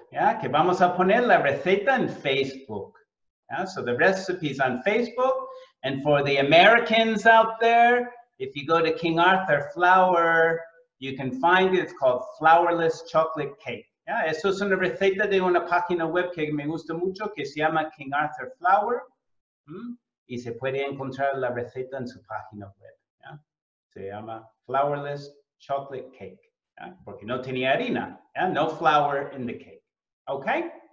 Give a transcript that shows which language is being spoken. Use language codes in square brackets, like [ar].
[es] Yeah, que vamos a poner la receta en Facebook. [en] Yeah, so the recipe is on Facebook. And for the Americans out there, if you go to King Arthur Flour, you can find it. It's called Flourless Chocolate Cake. [es] Yeah, eso es una receta de una página web que me gusta mucho, que se llama King Arthur Flour. Y se puede encontrar la receta en su página web. Se llama flourless chocolate cake, yeah? Porque no tenía harina, yeah? [en] No flour in the cake, okay?